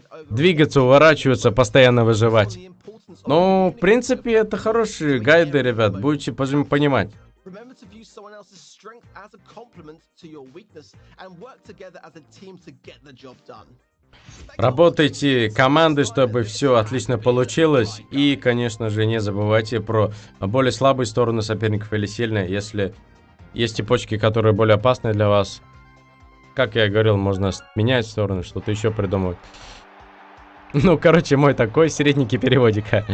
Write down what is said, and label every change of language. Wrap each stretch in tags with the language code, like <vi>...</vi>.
<ru>Двигаться, уворачиваться, постоянно выживать. Ну, в принципе, это хорошие гайды, ребят, будете понимать.</ru> <en>Remember to view someone else's strength as a compliment to your weakness and work together as a team to get the job done.</en> <ru>Работайте командой, чтобы все отлично получилось, и, конечно же, не забывайте про более слабые стороны соперников или сильные, если есть цепочки, которые более опасны для вас. как я говорил, можно менять в сторону, что-то еще придумывать. Ну, короче, мой такой средненький переводик.</ru>